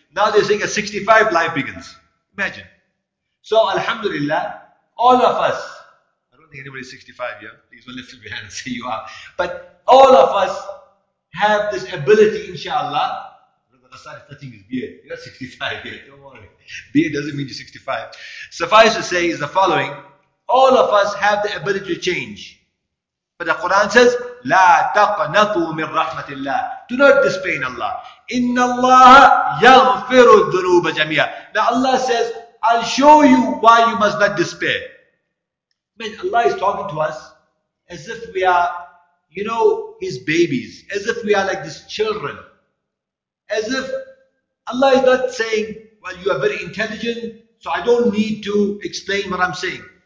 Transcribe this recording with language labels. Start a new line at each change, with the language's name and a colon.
English: Now they're saying at 65, life begins. Imagine. So, alhamdulillah, all of us, I don't think anybody's 65 here, please don't lift your hand and say you are, but all of us have this ability, inshallah. Look at the side touching his beard. You're 65 here, don't worry. Beard doesn't mean you're 65. Suffice to say, is the following, all of us have the ability to change. But the Quran says,
Arabic: لا تقنطوا من رحمة الله.
English: Do not despair in Allah.
Arabic: إن الله يغفر الذنوب جميعا.
English: Now Allah says, I'll show you why you must not despair. I mean, Allah is talking to us as if we are, you know, his babies, as if we are like these children. As if Allah is not saying, well, you are very intelligent, so I don't need to explain what I'm saying.